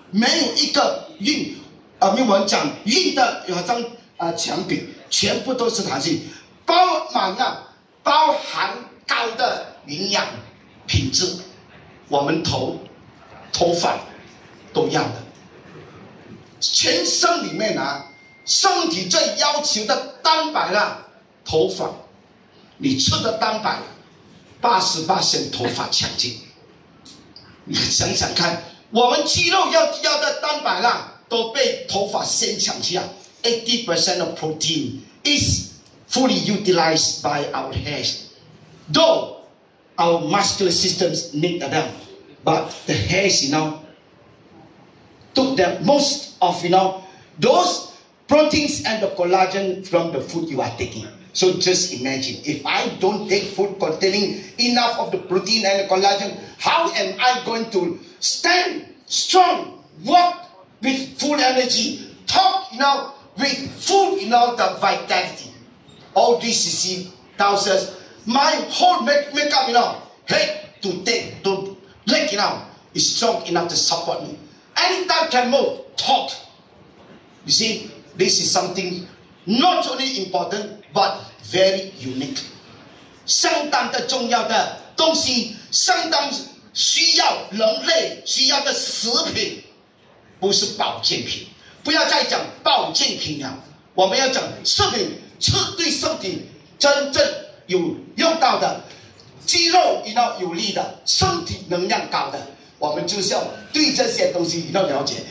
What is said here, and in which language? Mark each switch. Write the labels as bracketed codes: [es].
[zh] 没有一个硬啊，没有我们讲硬的，好像墙壁，全部都是弹性，包满了，包含高的营养品质，我们头发都要的，全身里面啊，身体最要求的蛋白啊，头发，你吃的蛋白，80%头发强劲，你想想看。我们肌肉要的蛋白啦，都被头发先抢去了。 [en] 80% of protein is fully utilized by our hair, though our muscular systems need them, but the hair, took the most of those proteins and the collagen from the food you are taking. So just imagine, if I don't take food containing enough of the protein and the collagen, how am I going to stand strong, walk with full energy, talk, you know, with full, you know, the vitality? All this, you see, tells us my whole makeup, you know, head to take, to leg, you know, is strong enough to support me. Anytime can move, talk. You see, this is something not only important, but very unique. [zh] 相当的重要的东西, 相当需要人类需要的食品, 不是保健品, 不要再讲保健品了, 我们要讲食品, 吃对身体, 真正有用到的, 肌肉, you know, 有力的, 身体能量高的, 我们就是要对这些东西, you know, 了解。